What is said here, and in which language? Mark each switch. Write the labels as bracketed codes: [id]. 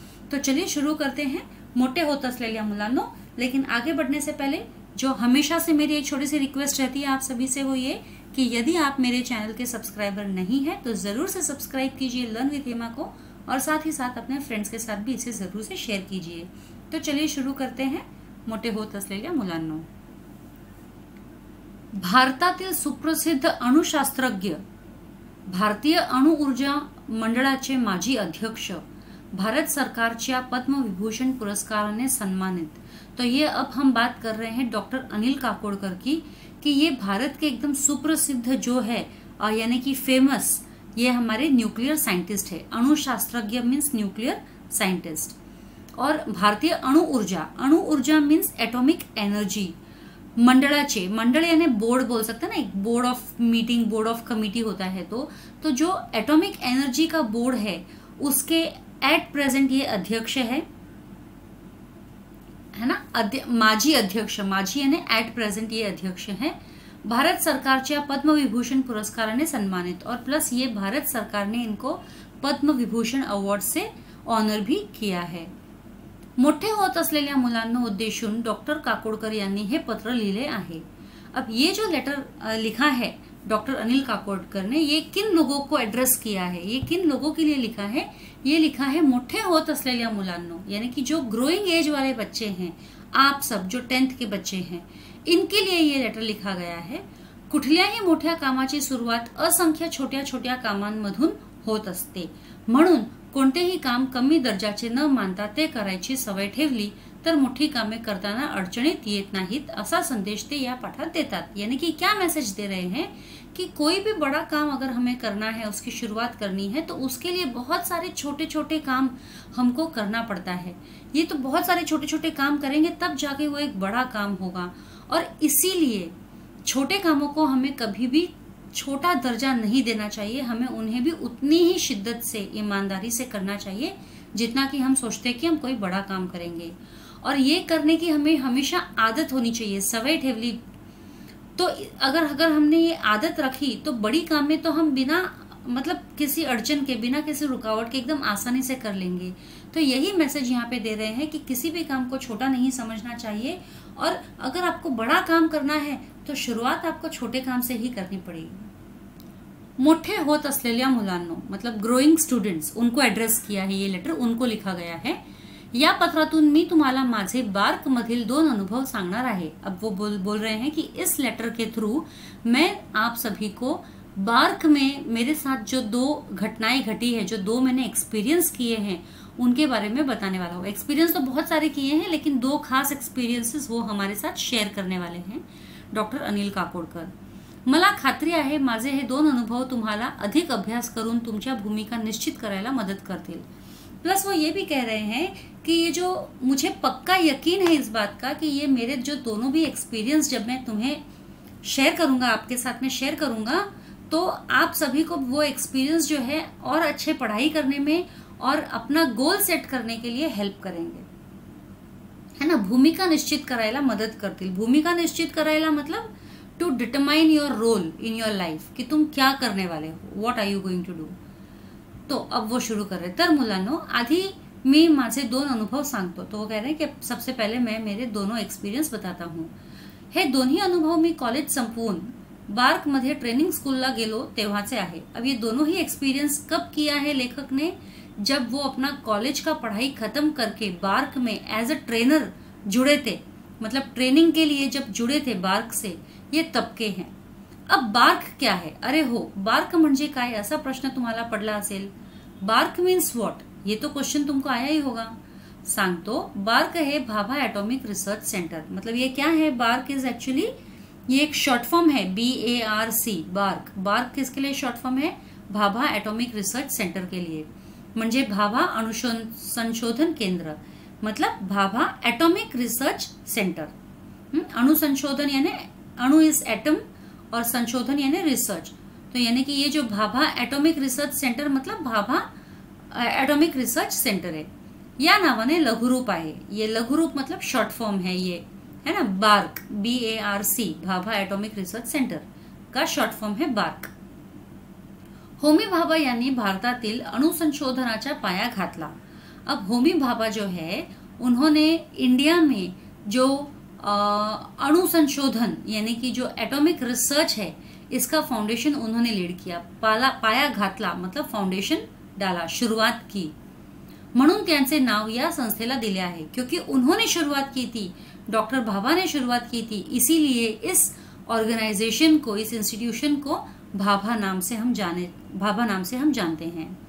[hi] तो चलिए शुरू करते हैं [mr] मोटे होत असलेल्या मुलांनो। [hi] लेकिन आगे बढ़ने से पहले जो हमेशा से मेरी एक छोटी सी रिक्वेस्ट रहती है आप सभी से, वो ये कि यदि आप मेरे चैनल के सब्सक्राइबर नहीं है तो जरूर से सब्सक्राइब कीजिए लर्न विद हेमा को और साथ ही साथ अपने फ्रेंड्स के साथ भी इसे जरूर से शेयर कीजिए। तो चलिए शुरू करते हैं [mr] मोटे होत असलेल्या मुलांनो। भारतातील सुप्रसिद्ध अणुशास्त्रज्ञ, भारतीय अणु ऊर्जा मंडळाचे माजी अध्यक्ष, भारत सरकारच्या पद्मविभूषण पुरस्काराने सन्मानित। [hi] तो ये अब हम बात कर रहे हैं डॉक्टर अनिल काकोडकर की, कि ये भारत के एकदम सुप्रसिद्ध जो है यानी कि फेमस ये हमारे न्यूक्लियर साइंटिस्ट है। अणुशास्त्रज्ञ मीन्स न्यूक्लियर साइंटिस्ट। और भारतीय अणु ऊर्जा, अणु ऊर्जा मीन्स एटॉमिक एनर्जी मंडळाचे, मंडळ यानी बोर्ड बोल सकते हैं ना, एक board of meeting, board of committee होता है। तो जो एटॉमिक एनर्जी का बोर्ड है उसके एट प्रेजेंट ये अध्यक्ष है ना, [mr] माजी अध्यक्ष, [hi] माजी यानी एट प्रेजेंट ये अध्यक्ष है। [mr] भारत सरकारच्या पद्म विभूषण पुरस्काराने सन्मानित [hi] और प्लस ये भारत सरकार ने इनको पद्म विभूषण अवार्ड से ऑनर भी किया है। [mr] मोठे होत असलेल्या मुलांना उद्देशून डॉक्टर काकोडकर यांनी हे पत्र लिहिले आहे। [hi] अब ये जो लेटर लिखा है डॉक्टर अनिल काकोडकर ने, ये किन लोगों को एड्रेस किया है, ये किन लोगों के लिए लिखा है? ये लिखा है [mr] मोठे होत असलेल्या मुलांना, [hi] यानी कि जो ग्रोइंग एज वाले बच्चे हैं, आप सब जो 10th के बच्चे हैं, इनके लिए ये लेटर लिखा गया है। [mr] कुठल्याही मोठ्या कामाची सुरुवात असंख्य छोट्या छोट्या कामांमधून होत असते, म्हणून कोणतेही काम कमी दर्जाचे न मानता ते करायची सवय ठेवली तर मोठी कामे करताना अडचणीत येत नाहीत, असा संदेश ते या पाठात देतात। [hi] यानी कि क्या मेसेज दे रहे हैं कि कोई भी बड़ा काम अगर हमें करना है, उसकी शुरुआत करनी है, तो उसके लिए बहुत सारे छोटे छोटे काम हमको करना पड़ता है। ये तो बहुत सारे छोटे छोटे काम करेंगे तब जाके वो एक बड़ा काम होगा, और इसीलिए छोटे कामों को हमें कभी भी छोटा दर्जा नहीं देना चाहिए, हमें उन्हें भी उतनी ही शिद्दत से, ईमानदारी से करना चाहिए जितना कि हम सोचते हैं कि हम कोई बड़ा काम करेंगे, और ये करने की हमें हमेशा आदत होनी चाहिए, [mr] सवय ठेवली। [hi] तो अगर हमने ये आदत रखी तो बड़ी काम में तो हम बिना मतलब किसी अड़चन के, बिना किसी रुकावट के एकदम आसानी से कर लेंगे। तो यही मैसेज यहाँ पे दे रहे हैं कि किसी भी काम को छोटा नहीं समझना चाहिए, और अगर आपको बड़ा काम करना है तो शुरुआत आपको छोटे काम से ही करनी पड़ेगी। [mr] मोठे होत असलेल्या मुलांनो, [hi] मतलब ग्रोइंग स्टूडेंट्स, उनको एड्रेस किया है ये लेटर, उनको लिखा गया है। [mr] या पत्रातून मी तुम्हाला माझे बार्क मधील दोन अनुभव सांगणार आहे। [hi] अब वो बोल रहे हैं कि इस लेटर के थ्रू मैं आप सभी को बार्क में मेरे साथ जो दो घटनाएं घटी है, जो दो मैंने एक्सपीरियंस किए हैं, उनके बारे में बताने वाला हूँ। एक्सपीरियंस तो बहुत सारे किए हैं लेकिन दो खास एक्सपीरियंसेस वो हमारे साथ शेयर करने वाले हैं डॉक्टर अनिल काकोडकर। [mr] मला खात्री आहे माझे हे दोन अनुभव तुम्हाला अधिक अभ्यास करून तुमच्या भूमिका निश्चित करायला मदत करतील। [hi] प्लस वो ये भी कह रहे हैं कि ये जो मुझे पक्का यकीन है इस बात का कि ये मेरे जो दोनों भी एक्सपीरियंस जब मैं तुम्हें शेयर करूंगा, आपके साथ में शेयर करूंगा, तो आप सभी को वो एक्सपीरियंस जो है और अच्छे पढ़ाई करने में और अपना गोल सेट करने के लिए हेल्प करेंगे, है ना, [mr] भूमिका निश्चित करायला मदद करतील। भूमिका निश्चित करायला [hi] मतलब [en] to determine your role in your life, [hi] कि तुम क्या करने वाले हो, [en] What are you going to do. [hi] तो अब वो शुरू कर रहे हैं। [mr] तर मुलांनो, आधी मी माझे दोन अनुभव सांगतो। [hi] तो वो कह रहे हैं कि सबसे पहले मैं मेरे दोनों एक्सपीरियंस बताता हूँ। [mr] हे दोन्ही अनुभव मी कॉलेज संपवून बार्क मध्ये ट्रेनिंग स्कूलला गेलो तेव्हाचे आहे। [hi] अब ये दोनों ही एक्सपीरियंस कब किया है लेखक ने, जब वो अपना कॉलेज का पढ़ाई खत्म करके बार्क में एज अ ट्रेनर जुड़े थे, मतलब ट्रेनिंग के लिए जब जुड़े थे बार्क से, ये तब के हैं। अब बार्क क्या है? [mr] अरे हो, बार्क म्हणजे काय असा प्रश्न तुम्हाला पडला असेल। [en] bark means what, [hi] ये तो क्वेश्चन तुमको आया ही होगा। [mr] सांगतो, [hi] बार्क है भाभा एटॉमिक रिसर्च सेंटर। मतलब ये क्या है? [en] bark is actually [hi] ये एक शॉर्ट फॉर्म है, BARC, बार्क। बार्क किसके लिए शॉर्ट फॉर्म है? भाभा एटॉमिक रिसर्च सेंटर के लिए। [mr] म्हणजे भाभा अनुसंशोधन केंद्र, [hi] मतलब भाभा एटॉमिक रिसर्च सेंटर। अनुसंशोधन यानी अणु इज एटम और संशोधन यानी रिसर्च, तो यानी कि ये जो भाभा एटॉमिक रिसर्च सेंटर मतलब भाभा एटॉमिक रिसर्च सेंटर है। [mr] या नावाने लघु रूप आहे, [hi] ये लघु रूप मतलब शॉर्ट फॉर्म है ये, है ना। Bark, BARC, Bhabha atomic research centre का शॉर्ट फॉर्म है बार्क। [mr] होमी भाभा यांनी भारतातील अणुसंशोधनाचा पाया घातला। [hi] अब होमी भाभा जो है उन्होंने इंडिया में जो अणुसंशोधन यानी कि जो एटॉमिक रिसर्च है इसका फाउंडेशन उन्होंने लीड किया, [mr] पाया घातला [hi] मतलब फाउंडेशन डाला, शुरुआत की। [mr] म्हणून त्यांचे नाव या संस्थेला दिले आहे, [hi] क्योंकि उन्होंने शुरुआत की थी, डॉक्टर भाभा ने शुरुआत की थी, इसीलिए इस ऑर्गेनाइजेशन को, इस इंस्टीट्यूशन को भाभा नाम से हम जानते हैं।